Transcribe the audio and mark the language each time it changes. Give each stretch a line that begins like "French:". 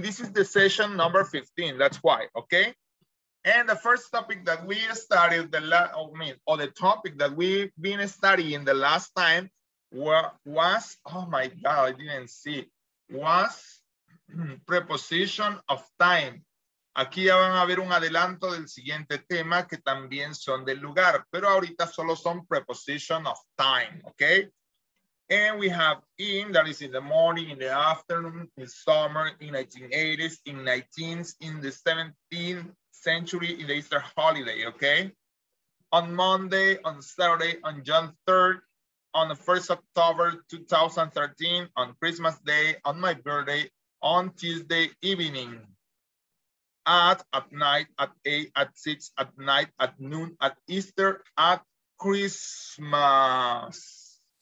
English: This is the session number 15. That's why, okay? And the first topic that we studied, the topic that we've been studying the last time was, oh my God, I didn't see, was preposition of time.
Spanish: Aquí ya van a ver un adelanto del siguiente tema que también son del lugar, pero ahorita solo son
English: preposition of time,
Spanish: okay?
English: And we have in, that is in the morning, in the afternoon, in summer, in 1980s, in 19th, in the 17th century, in the Easter holiday, okay? On Monday, on Saturday, on June 3rd, on the 1st October 2013, on Christmas Day, on my birthday, on Tuesday evening, at night, at 8, at 6, at night, at noon, at Easter, at Christmas.